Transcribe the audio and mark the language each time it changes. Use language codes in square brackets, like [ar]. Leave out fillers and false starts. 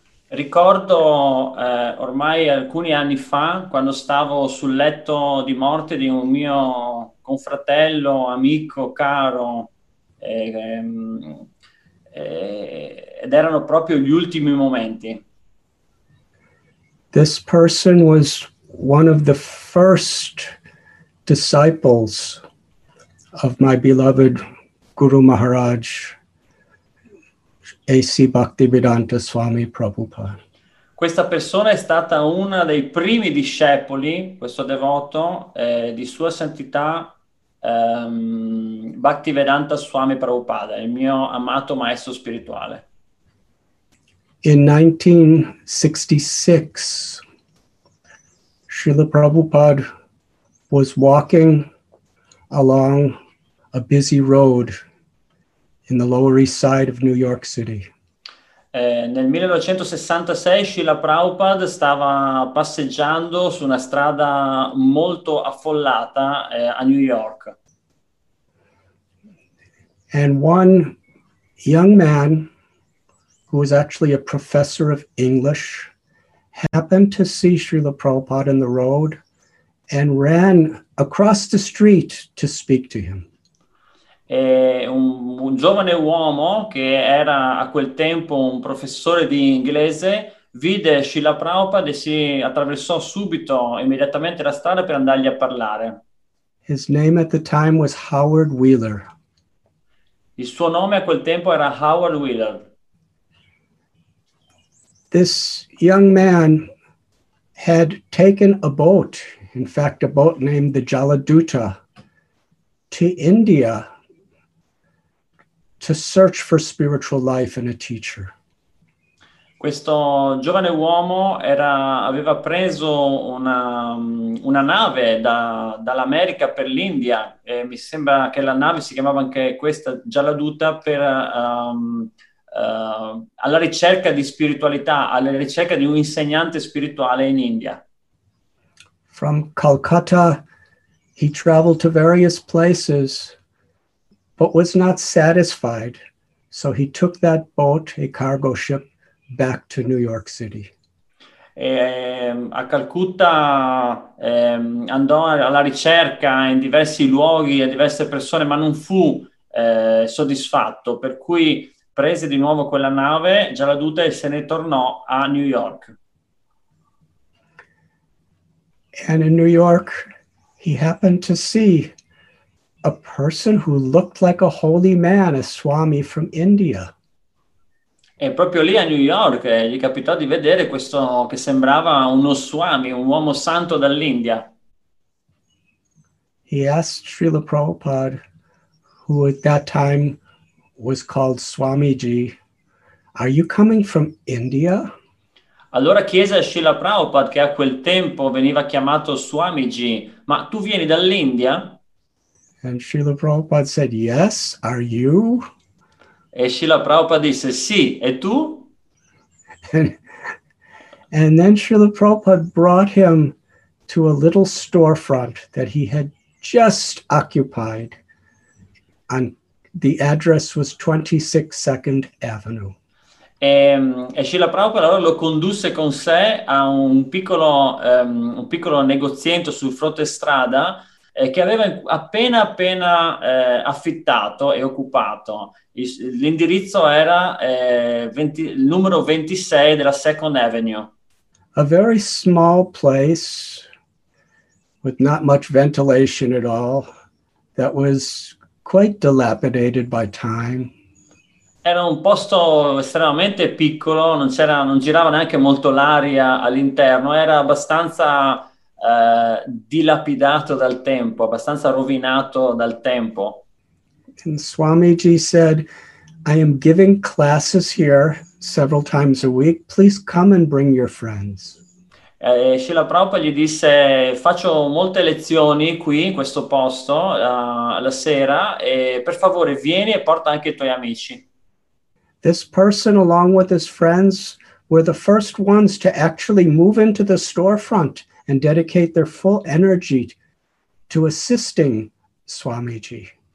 [it] Ricordo ormai alcuni anni fa, quando stavo sul letto di morte di un mio confratello, amico, caro, ed erano proprio gli ultimi momenti. [en] This person was one of the first disciples of my beloved Guru Maharaj, A.C. Bhaktivedanta Swami Prabhupada. [it] Questa persona è stata una dei primi discepoli, questo devoto, di Sua Santità Bhaktivedanta Swami Prabhupada, il mio amato maestro spirituale. [en] In 1966, Srila Prabhupada was walking along a busy road in the Lower East Side of New York City. [it] Nel 1966 Srila Prabhupada stava passeggiando su una strada molto affollata a New York. [en] And one young man, who was actually a professor of English, happened to see Srila Prabhupada in the road and ran across the street to speak to him. [it] E un giovane uomo che era a quel tempo un professore di inglese vide Srila Prabhupada e si attraversò subito immediatamente la strada per andargli a parlare. [en] His name at the time was Howard Wheeler. [it] Il suo nome a quel tempo era Howard Wheeler. [en] This young man had taken a boat, in fact a boat named the Jaladuta, to India to search for spiritual life and a teacher. [it] Questo giovane uomo aveva preso una nave dall'America per l'India, e mi sembra che la nave si chiamava anche questa Jaladuta, per alla ricerca di spiritualità, alla ricerca di un insegnante spirituale in India. [en] From Calcutta he traveled to various places but was not satisfied, so he took that boat, a cargo ship, back to New York City. [it] A Calcutta andò alla ricerca in diversi luoghi e diverse persone, ma non fu soddisfatto, per cui prese di nuovo quella nave, Jaladuta, e se ne tornò a New York. [en] And in New York, he happened to see a person who looked like a holy man, a Swami from India. [it] E proprio lì a New York gli capitò di vedere questo che sembrava uno Swami, un uomo santo dall'India. [en] He asked Srila Prabhupada, who at that time was called Swamiji, "Are you coming from India?" [it] Allora chiese a Srila Prabhupada, che a quel tempo veniva chiamato Swamiji, "Ma tu vieni dall'India?" [en] And Srila Prabhupada said, "Yes, are you?" [it] E Srila Prabhupada disse, "Sì, e tu?" [en] And then Srila Prabhupada brought him to a little storefront that he had just occupied. And the address was 22nd Avenue. [it] E Srila Prabhupada allora lo condusse con sé a un piccolo negozietto sul fronte strada che aveva appena affittato e occupato. L'indirizzo era il numero 26 della Second Avenue. [en] a very small place with not much ventilation at all that was quite dilapidated by time. [it] Era un posto estremamente piccolo, non girava neanche molto l'aria all'interno, era abbastanza dilapidato dal tempo, abbastanza rovinato dal tempo. [en] And Swamiji said, I am giving classes here several times a week, please come and bring your friends. [it] Srila Prabhupada gli disse, faccio molte lezioni qui in questo posto la sera e per favore vieni e porta anche i tuoi amici. [en] This person along with his friends were the first ones to actually move into the storefront and dedicate their full energy to assisting Swamiji.